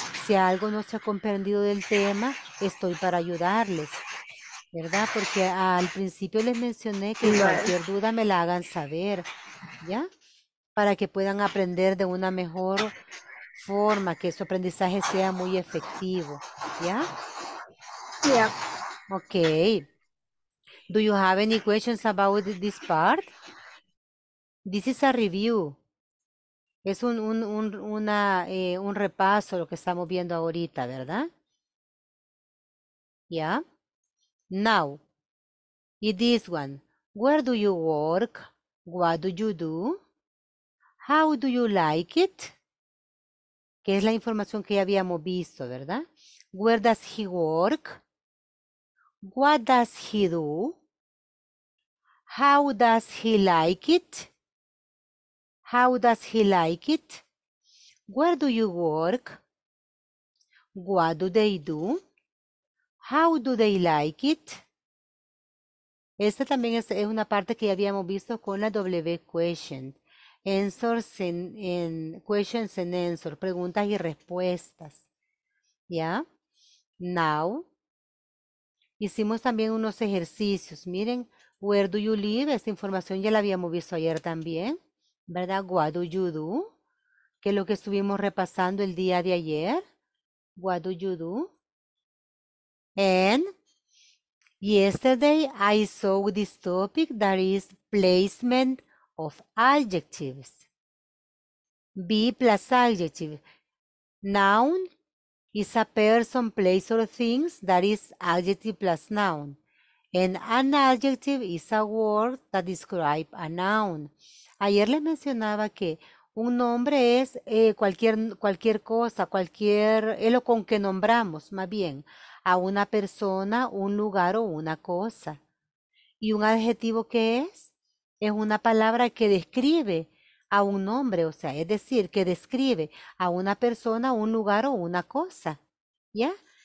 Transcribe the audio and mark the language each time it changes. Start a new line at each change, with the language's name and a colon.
Spanish: Si algo no se ha comprendido del tema, estoy para ayudarles, ¿verdad? Porque al principio les mencioné que cualquier duda me la hagan saber, ¿ya? Para que puedan aprender de una mejor forma, que su aprendizaje sea muy efectivo, ¿ya?
English: Yeah. Okay. Do you have any questions about this part? This is a review.
Spanish: Es un repaso lo que estamos viendo ahorita, ¿verdad?
English: Yeah. Now, in this one, where do you work? What do you do? How do you like it?
Spanish: Que es la información que ya habíamos visto, ¿verdad?
English: Where does he work? What does he do? How does he like it? How does he like it? Where do you work? What do they do? How do they like it?
Spanish: Esta también es una parte que ya habíamos visto con la W question.
English: Answers in questions and answers,
Spanish: preguntas y respuestas. ¿Ya? Now, hicimos también unos ejercicios.
English: Miren, where do you live?
Spanish: Esta información ya la habíamos visto ayer también, ¿verdad?
English: What do you do?
Spanish: Que es lo que estuvimos repasando el día de ayer.
English: What do you do? And yesterday I saw this topic, that is placement of adjectives. Be plus adjective. Noun is a person, place, or things, that is adjective plus noun. And an adjective is a word that describes a noun.
Spanish: Ayer les mencionaba que un nombre es cualquier cosa, cualquier, es lo con que nombramos, más bien, a una persona, un lugar o una cosa. ¿Y un adjetivo qué es? Es una palabra que describe a un nombre, o sea, es decir, que describe a una persona, un lugar o una cosa, ¿ya?